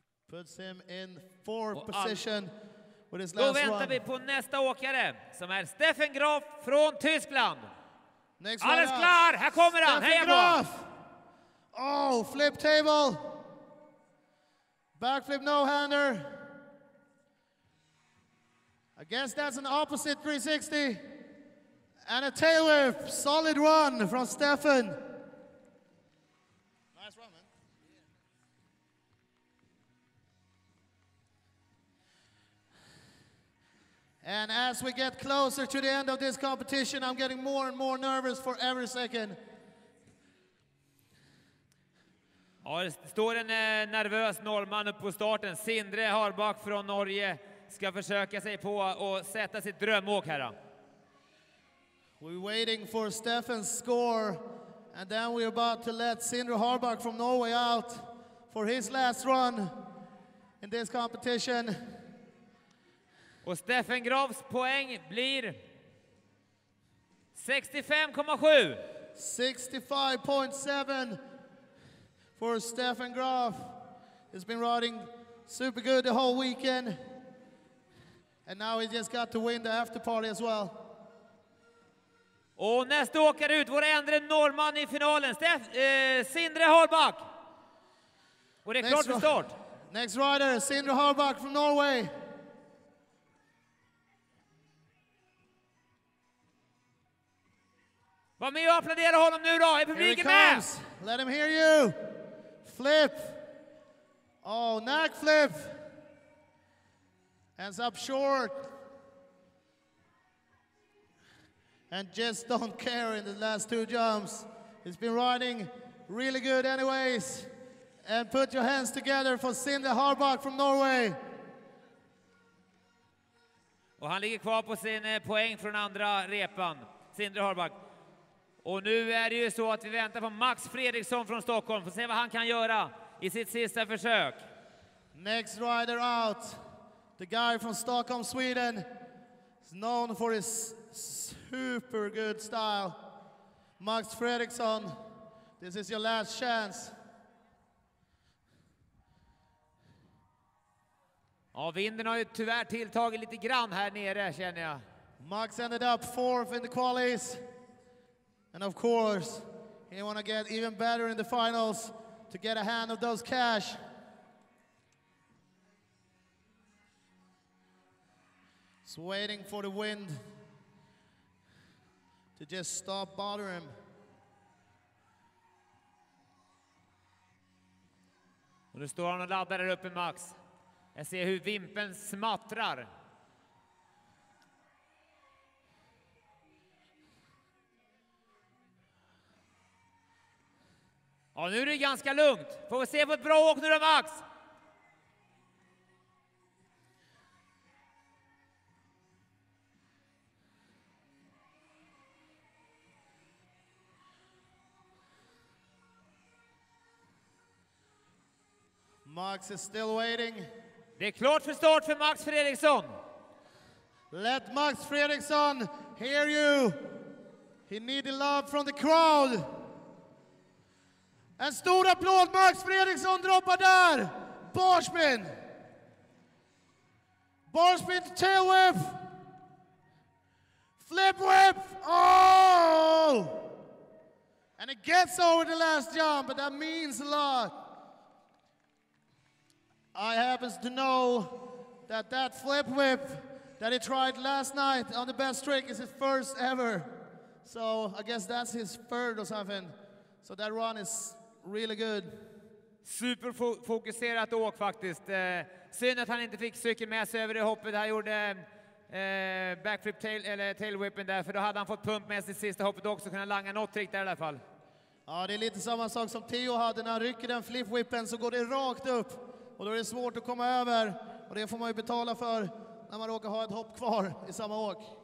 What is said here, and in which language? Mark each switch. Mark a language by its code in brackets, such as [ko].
[en] Puts him in fourth position with his last one. [sv] Då väntar vi på nästa åkare som är Steffen Graf från Tyskland. [en] Next [sv] alldeles klar, här kommer han. [en] Steffen Graf! Oh, flip table. Backflip no-hander. I guess that's an opposite 360. And a tail whip, solid one from Steffen. And as we get closer to the end of this competition, I'm getting more and more nervous for every second. [sv] Ja, det står en nervös norrman upp på starten. Sindre Harbak från Norge ska försöka sig på och sätta sitt drömåk här. [en] We're waiting for Stefan's score. And then we're about to let Sindre Harbak from Norway out for his last run in this competition. [sv] Och Steffen Grafs poäng blir 65,7 [en] for Steffen Graf. He's been riding super good the whole weekend. And now he just got to win the after party as well. [sv] Och nästa åker ut, vår enda norrman i finalen, Sindre Harbak. Och det är klart för start. [en] Next rider, Sindre Harbak from Norway. [sv] Var med och applådera honom nu då. Är publiken med? [en] Let him hear you. Flip. Oh, neck flip. Hands up short. And just don't care in the last two jumps. He's been riding really good anyways. And put your hands together for Sindre Harbak from Norway. [sv] Och han ligger kvar på sin poäng från andra repan. Sindre Harbak. Och nu är det ju så att vi väntar på Max Fredriksson från Stockholm för att se vad han kan göra i sitt sista försök. [en] Next rider out. The guy from Stockholm, Sweden. He's known for his super good style. Max Fredriksson, this is your last chance. [sv] Ja, vinden har ju tyvärr tilltagit lite grann här nere, känner jag. [en] Max ended up fourth in the qualies. And of course, he want to get even better in the finals to get a hand of those cash. He's waiting for the wind to just stop bothering him. [sv] Och nu står han och laddar där uppe, Max. Jag ser hur vimpen smattrar. Ja, nu är det ganska lugnt. Får vi se på ett bra åk nu då, Max? [en] Max is still waiting. [sv] Det är klart för start för Max Fredriksson. [en] Let Max Fredriksson hear you. He needed love from the crowd. [sv] En stor applåd, Max Fredriksson droppar där! Barspin! [en] Barspin to tail whip! Flip whip! Oh! And it gets over the last jump, but that means a lot. I happen to know that that flip whip that he tried last night on the best trick is his first ever. So I guess that's his third or something. So that run is really good. [sv] Super fokuserat åk faktiskt. Synd att han inte fick cykeln med sig över det hoppet. Han gjorde backflip tail eller tail whipen där, för då hade han fått pump med sig sista hoppet också, kunna langa något trick där i alla fall. Ja, det är lite samma sak som Theo hade när han rycker den flip whipen, så går det rakt upp och då är det svårt att komma över, och det får man ju betala för när man råkar ha ett hopp kvar i samma åk.